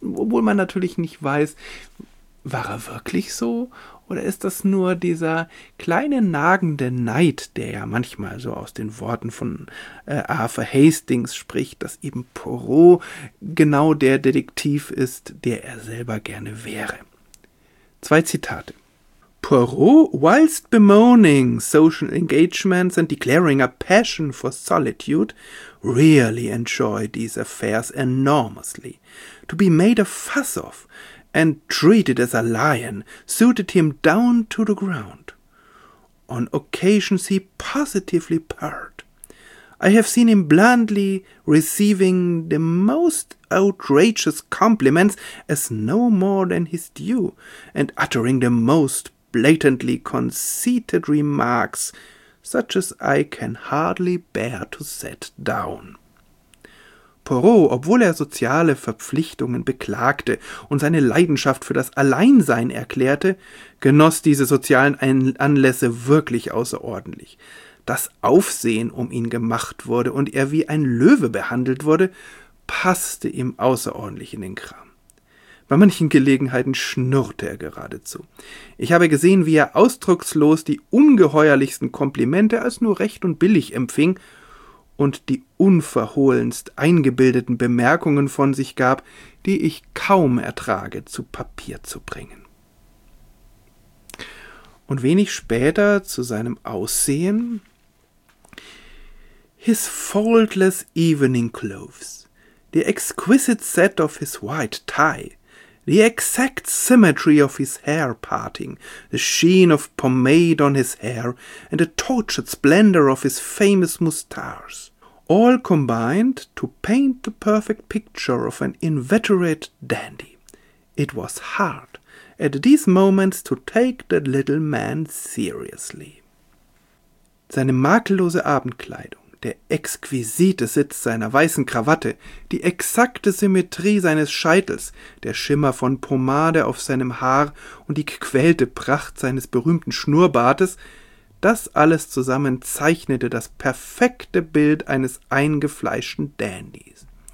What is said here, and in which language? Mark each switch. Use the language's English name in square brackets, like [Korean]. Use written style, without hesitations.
[German] Obwohl man natürlich nicht weiß, war er wirklich so? Oder ist das nur dieser kleine nagende Neid, der ja manchmal so aus den Worten von Arthur Hastings spricht, dass eben Poirot genau der Detektiv ist, der er selber gerne wäre? Zwei Zitate. [English] Poirot, whilst bemoaning social engagements and declaring a passion for solitude, really enjoyed these affairs enormously. To be made a fuss of and treated as a lion suited him down to the ground. On occasions he positively purred. I have seen him blandly receiving the most outrageous compliments as no more than his due, and uttering the most blatantly conceited remarks, such as I can hardly bear to set down. [German] Poirot, obwohl er soziale Verpflichtungen beklagte und seine Leidenschaft für das Alleinsein erklärte, genoss diese sozialen Anlässe wirklich außerordentlich. Das Aufsehen um ihn gemacht wurde und er wie ein Löwe behandelt wurde, passte ihm außerordentlich in den Kram. Bei manchen Gelegenheiten schnurrte er geradezu. Ich habe gesehen, wie er ausdruckslos die ungeheuerlichsten Komplimente als nur recht und billig empfing und die unverhohlenst eingebildeten Bemerkungen von sich gab, die ich kaum ertrage, zu Papier zu bringen. Und wenig später zu seinem Aussehen. [English] His faultless evening clothes, the exquisite set of his white tie, the exact symmetry of his hair parting, the sheen of pomade on his hair, and the tortured splendor of his famous moustaches, all combined to paint the perfect picture of an inveterate dandy. It was hard at these moments to take the little man seriously. [German] Seine makellose Abendkleidung, der exquisite Sitz seiner weißen Krawatte, die exakte Symmetrie seines Scheitels, der Schimmer von Pomade auf seinem Haar und die gequälte Pracht seines berühmten Schnurrbartes, das alles zusammen zeichnete das perfekte Bild eines eingefleischten Dandys.